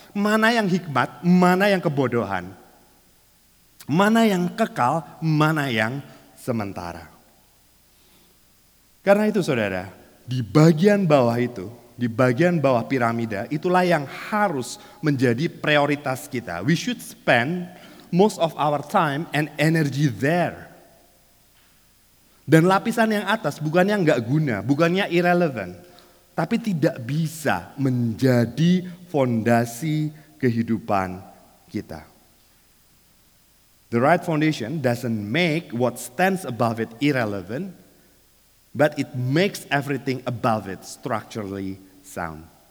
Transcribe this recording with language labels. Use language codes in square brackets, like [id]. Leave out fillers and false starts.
[id] Mana yang hikmat, mana yang kebodohan. Mana yang kekal, mana yang sementara. Karena itu saudara, di bagian bawah itu, di bagian bawah piramida, itulah yang harus menjadi prioritas kita. [en] We should spend most of our time and energy there. [id] Dan lapisan yang atas bukannya enggak guna, bukannya irrelevant, tapi tidak bisa menjadi fondasi kehidupan kita. [en] The right foundation doesn't make what stands above it irrelevant, but it makes everything above it structurally sound.